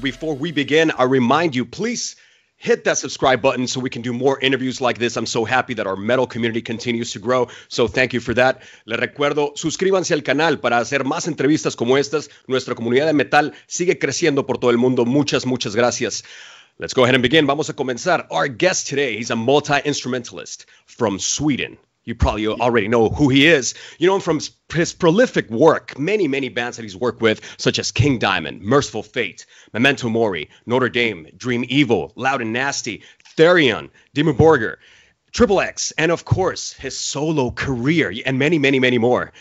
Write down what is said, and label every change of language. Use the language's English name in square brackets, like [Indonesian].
[English] Before we begin, I remind you, please hit that subscribe button so we can do more interviews like this. I'm so happy that our metal community continues to grow. So thank you for that. [Spanish] Le recuerdo, suscríbanse al canal para hacer más entrevistas como estas. Nuestra comunidad de metal sigue creciendo por todo el mundo. Muchas, muchas gracias. [English] Let's go ahead and begin. [Spanish] Vamos a comenzar. [English] Our guest today, he's a multi-instrumentalist from Sweden. You probably already know who he is. You know him from his prolific work, many, many bands that he's worked with, such as King Diamond, Merciful Fate, Memento Mori, Notre Dame, Dream Evil, Loud and Nasty, Therion, Demon Borger, Triple X, and of course, his solo career, and many, many, many more.